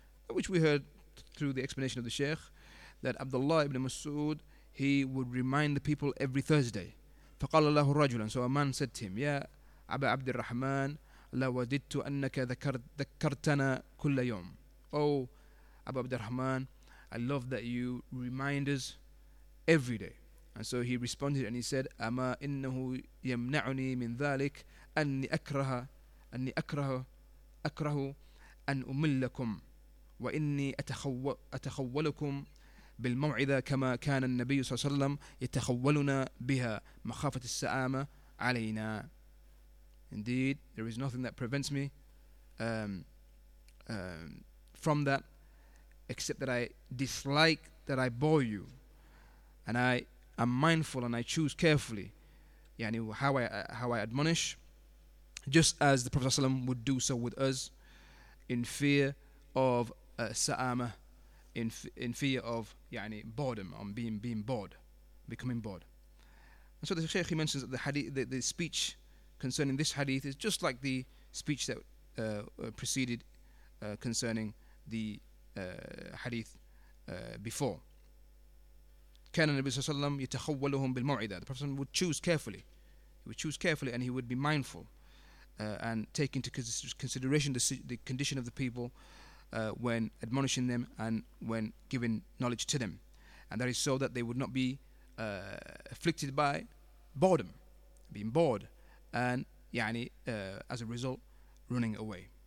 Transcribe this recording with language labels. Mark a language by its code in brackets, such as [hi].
[en] Which we heard through the explanation of the Sheikh that Abdullah ibn Mas'ud, he would remind the people every Thursday. [ar] فَقَالَ لَهُ رَجُلًا. [en] So a man said to him, [ar] يَا أَبَا عَبْدِ الرَّحْمَنِ لَوَدِدْتُ أَنَّكَ ذَكَّرْتَنَا كُلَّ يَوْمٍ. [en] Oh, Abu Abd al-Rahman, I love that you remind us every day. And so he responded and he said, [ar] أَمَا إِنَّهُ يَمْنَعُنِي مِنْ ذَلِكَ أَنِّي أَكْرَهُ أَنْ أُمِلَّكُمْ وَإِنِّي أَتَخَوَّلُكُمْ بالموعظة كما كان النبي صلى الله عليه وسلم يتخولنا بها مخافة السآمة علينا. [en] Indeed, there is nothing that prevents me from that, except that I dislike that I bore you, and I am mindful and I choose carefully, [ar] يعني, [en] how I admonish, just as the Prophet صلى الله عليه وسلم would do so with us, in fear of [ar] السآمة. [en] In fear of, [ar] يعني, [en] boredom, on being bored, becoming bored. And so the Shaykh, he mentions that the hadith, the speech concerning this hadith is just like the speech that preceded concerning the hadith before. [ar] كان النبي صلى الله عليه وسلم يتخولهم بالموعدة. [en] The Prophet would choose carefully. He would choose carefully and he would be mindful and take into consideration the condition of the people when admonishing them and when giving knowledge to them, and that is so that they would not be afflicted by boredom, being bored, and [ar] يعني, [en] as a result, running away.